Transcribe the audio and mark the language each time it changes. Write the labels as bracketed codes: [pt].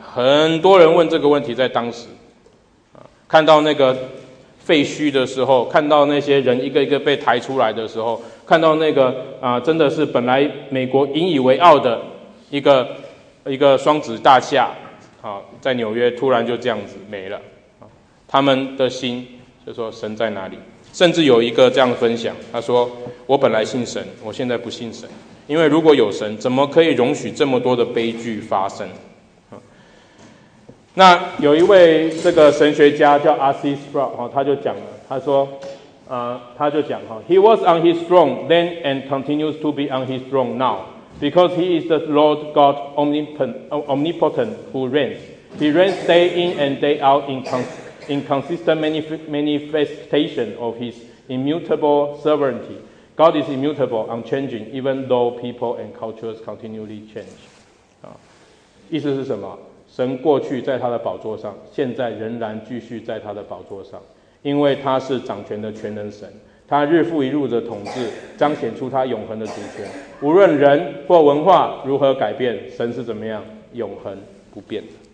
[zh] 很多人问这个问题，在当时看到那个废墟的时候，看到那些人一个一个被抬出来的时候，看到那个真的是本来美国引以为傲的一个双子大厦在纽约突然就这样子没了，他们的心就说神在哪里。甚至有一个这样分享，他说我本来信神，我现在不信神，因为如果有神，怎么可以容许这么多的悲剧发生。那有一位这个神学家叫 R.C. [en] Sproul， [zh] 他就讲了，他说他就讲 [en] He was on his throne then and continues to be on his throne now because he is the Lord God omnipotent who reigns. He reigns day in and day out in consistent manifestation of his immutable sovereignty. God is immutable, unchanging, even though people and cultures continually change. [zh] 意思是什么？神过去在他的宝座上，现在仍然继续在他的宝座上，因为他是掌权的全能神，他日复一日的统治彰显出他永恒的主权。无论人或文化如何改变，神是怎么样，永恒不变的。